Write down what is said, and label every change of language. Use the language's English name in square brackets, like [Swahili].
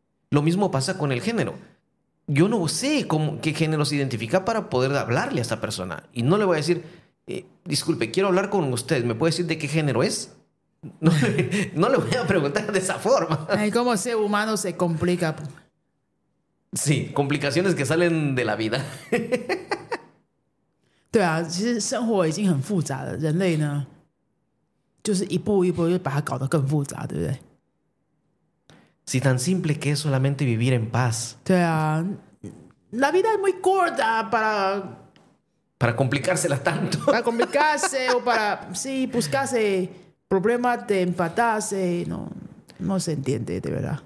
[Spanish] Lo mismo pasa con el género. Yo no sé qué género se identifica para poder hablarle a esta persona. Y no le voy a decir, disculpe, quiero hablar con usted. ¿Me puede decir de qué género es? No le voy a preguntar de esa forma. Ay, ¿cómo ser humano se complica? Sí, complicaciones que salen de la vida. [Chinese] 对啊，其实生活已经很复杂了。人类呢， 就是一步一步就把它搞得更复杂， 对不对？ [Spanish] Si tan simple que es solamente vivir en paz. [Chinese] 对啊， [Spanish] la vida es muy corta para... Para complicársela tanto. Para complicarse o para... Sí, buscarse problemas de empatarse. No se entiende, de verdad.